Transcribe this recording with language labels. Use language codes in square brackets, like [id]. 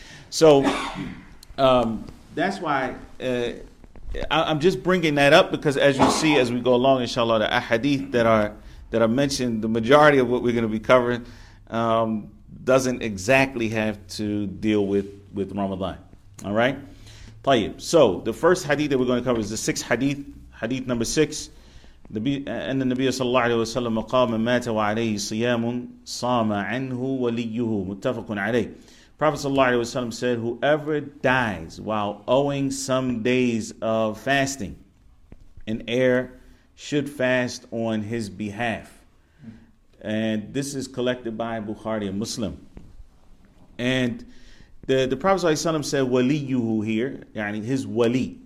[en] So that's why I'm just bringing that up because as you see as we go along, inshallah, the ahadith that are mentioned, the majority of what we're going to be covering doesn't exactly have to deal with Ramadan. All right? طيب. So, the first hadith that we're going to cover is the sixth hadith. Hadith number six. [ar] أن النبي صلى الله عليه وسلم قام مات وعليه صيام صام عنه وليه متفق عليه. [en] Prophet Sallallahu Alaihi Wasallam said, whoever dies while owing some days of fasting, an heir should fast on his behalf. And this is collected by Bukhari and Muslim. And the Prophet ﷺ said, waliyuhu here, yani his wali.